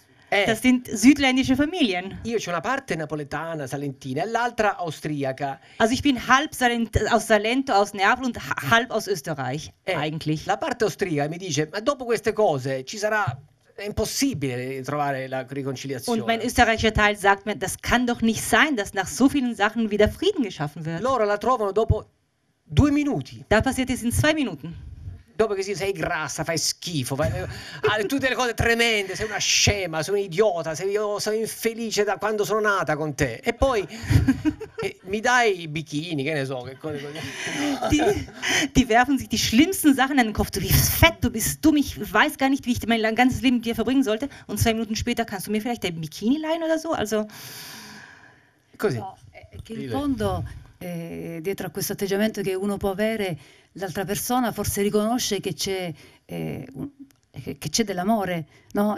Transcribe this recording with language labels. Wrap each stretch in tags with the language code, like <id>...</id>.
<de>Das sind südländische Familien.</de> <it>Io c'ho una parte napoletana, salentina, e l'altra austriaca.</it> <de>Also ich bin halb aus Salento, aus Neapel und halb aus Österreich, eigentlich.</de> <it>La parte austriaca mi dice, ma dopo queste cose ci sarà, è impossibile trovare la riconciliazione.</it> <de>Und mein österreichischer Teil sagt mir, das kann doch nicht sein, dass nach so vielen Sachen wieder Frieden geschaffen wird.</de> <it>Loro la trovano dopo due minuti.</it> <de>Da passiert es in zwei Minuten.</de> <it>Dopo che sei grassa, fai schifo, fai tutte le cose tremende, sei una scema, sei un idiota, io sono infelice da quando sono nata con te. E poi mi dai i bikini, che ne so, che cose così.</it> <de>Ti werfen sich die schlimmsten Sachen an den Kopf. Du bist fett, du bist dumm, ich weiß gar nicht, wie ich mein ganzes Leben mit dir verbringen sollte. Und zwei Minuten später kannst du mir vielleicht dein Bikini leihen oder so? Also.</de> <it>Così. Che in fondo, dietro a questo atteggiamento che uno può avere, l'altra persona forse riconosce che c'è, che c'è dell'amore, no?</it>